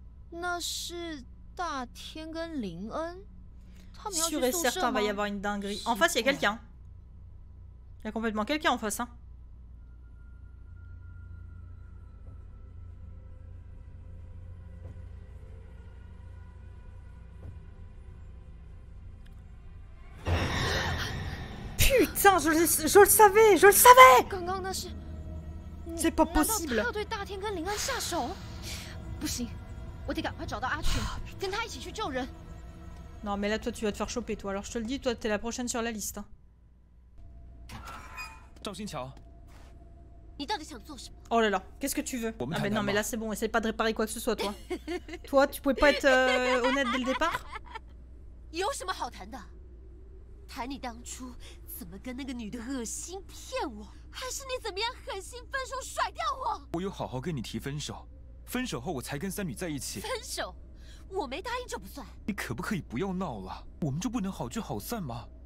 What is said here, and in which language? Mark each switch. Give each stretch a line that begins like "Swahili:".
Chinese: 那是大天跟林恩，他们要去宿舍吗？
French: Sûr et certain, va y avoir une dinguerie. En face, il y a quelqu'un. Il y a complètement quelqu'un en face, hein. Putain, je le savais.
Chinese: 刚刚那是
French: c'est pas possible.
Chinese: 难道他要对大天跟林恩下手？不行。我得赶快找到阿群，跟他一起去救人。
French: Non, mais là, toi, tu vas te faire choper, toi. Alors, je te le dis, toi, t'es la prochaine sur la liste.
Chinese: 赵新桥，你到底想做什么
French: ？Oh là là, qu'est-ce que tu veux？
Chinese: 我们谈谈吧。
French: Non, mais là, c'est bon, essaye pas de réparer quoi que ce soit, toi. Toi, tu pouvais pas être honnête dès le départ？
Chinese: 有什么好谈的？谈你当初怎么跟那个女的恶心骗我，还是你怎么样狠心分手甩掉我？我有好好跟你提分手。分手后我才跟三女在一起。分手，我没答应就不算。你可不可以不要闹了？我们就不能好聚好散吗？